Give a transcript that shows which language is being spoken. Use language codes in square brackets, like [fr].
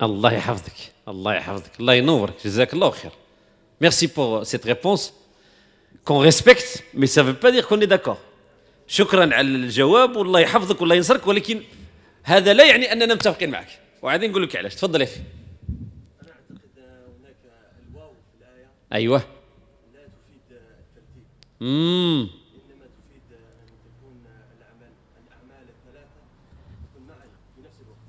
[ar] الله يحفظك، الله يحفظك، الله ينورك، جزاك الله خير. [fr] Merci pour cette réponse qu'on respecte, mais ça ne veut pas dire qu'on est d'accord. [ar] شكرا على الجواب والله يحفظك والله ينصرك، ولكن هذا لا يعني أننا متفقين معك. وعادي نقول لك علاش. تفضل يا أخي. أنا أعتقد هناك الواو في الآية. أيوة. لا تفيد الترتيب. إنما تفيد أن تكون الأعمال الثلاثة تكون معا في نفس الوقت.